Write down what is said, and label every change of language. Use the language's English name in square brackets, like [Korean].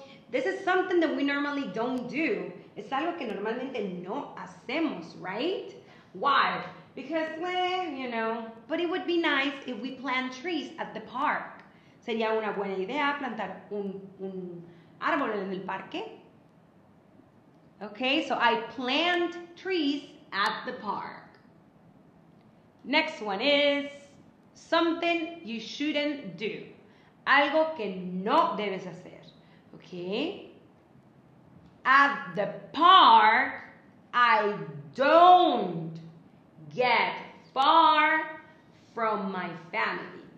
[English] This is something that we normally don't do. [Spanish] Es algo que normalmente no hacemos, [English] right? Why? Because, you know, but it would be nice if we plant trees at the park. [Spanish] Sería una buena idea plantar un árbol en el parque. [English] Okay, so I plant trees at the park. Next one is something you shouldn't do. [Spanish] Algo que no debes hacer. Okay? [English] At the park, I don't get far from my family.